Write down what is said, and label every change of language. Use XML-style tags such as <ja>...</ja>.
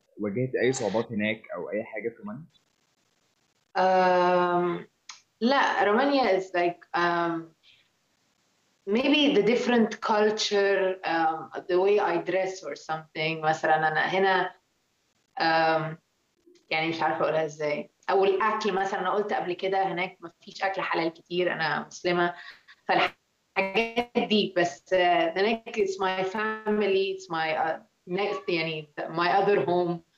<ar>واجهت أي صعوبات هناك أو أي حاجة في رومانيا؟ لا،</ar> <en>رومانيا is like maybe the different culture, the way I dress or something.</en> <ar>مثلا أنا هنا يعني مش عارفة أقولها إزاي، أو الأكل مثلا. أنا قلت قبل كده هناك ما فيش أكل حلال كتير، أنا مسلمة فالحاجات دي. بس هناك</ar> <en>it's my family, it's my next, يعني my other home.</en>